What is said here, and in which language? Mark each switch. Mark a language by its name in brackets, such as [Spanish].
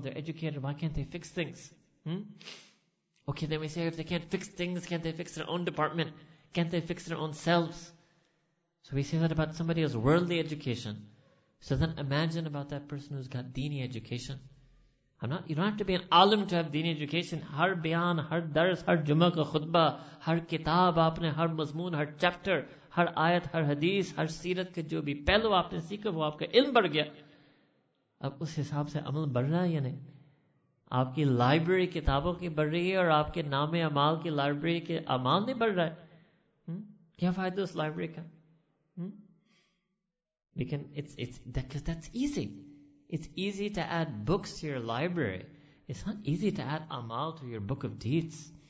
[English] They're educated, why can't they fix things? Okay, then we say, if they can't fix things, can't they fix their own department? Can't they fix their own selves? So we say that about somebody who's worldly education. So then imagine about that person who's got deeni education. You don't have to be an alim to have deeni education. [Urdu] Har bayan, har dars, har juma ka khutbah, har kitab aapne, har mazmoon, har chapter, ہر آیت, ہر حدیث, ہر سیرت کے جو بھی پہلو آپ نے سیکھا وہ آپ کا علم بڑھ گیا. اب اس حساب سے عمل بڑھ رہا ہے یا نہیں؟ آپ کی لائبریری کتابوں کی بڑھ رہی ہے اور آپ کے نام اعمال کی لائبریری کے اعمال نہیں بڑھ رہا ہے. کیا فائدہ اس لائبریری کا؟ لیکن [English] that's easy. It's easy to add books to your library. It's not easy to add اعمال to your book of deeds.